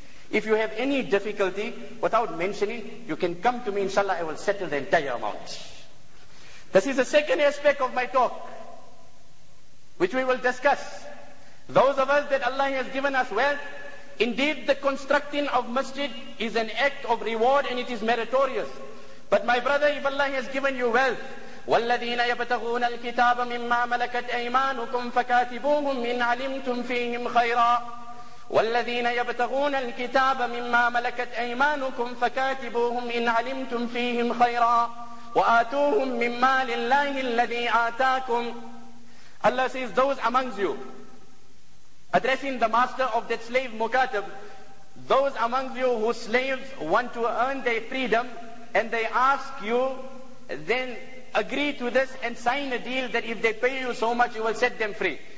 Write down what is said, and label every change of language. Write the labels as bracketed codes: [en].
[en] If you have any difficulty, without mentioning, you can come to me, inshallah, I will settle the entire amount. This is the second aspect of my talk, which we will discuss. Those of us that Allah has given us wealth, indeed the constructing of masjid is an act of reward and it is meritorious. But my brother, if Allah has given you wealth, [ar] وَالَّذِينَ يَبْتَغُونَ الْكِتَابَ مِمَّا مَلَكَتْ أَيْمَانُكُمْ فَكَاتِبُوهُمْ إِنْ عَلِمْتُمْ فِيهِمْ خَيْرًا وَالَّذِينَ يَبْتَغُونَ الْكِتَابَ مِمَّا مَلَكَتْ أَيْمَانُكُمْ فَكَاتِبُوهُمْ إِنْ عَلِمْتُمْ فِيهِمْ خَيْرًا وَآتُوهُمْ مِمَّا لِلَّهِ الَّذِي آتَاكُمْ. [en] Allah says, those amongst you, addressing the master of that slave Mukatib, those amongst you whose slaves want to earn their freedom and they ask you, then agree to this and sign a deal that if they pay you so much, you will set them free.